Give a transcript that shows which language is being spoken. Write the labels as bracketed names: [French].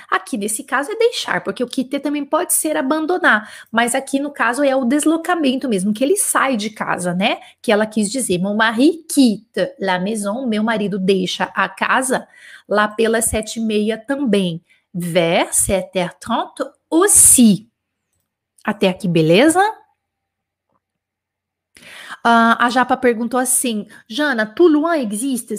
[Portuguese] Aqui nesse caso é deixar, porque o quitter também pode ser abandonar. Mas aqui no caso é o deslocamento mesmo, que ele sai de casa, né? Que ela quis dizer. [French] Mon mari quitte la maison. [Portuguese] Meu marido deixa a casa lá pelas 7h30 também. [French] Vers 7h30 aussi. [Portuguese] Até aqui, beleza? A Japa perguntou assim: Jana, Toulon existe?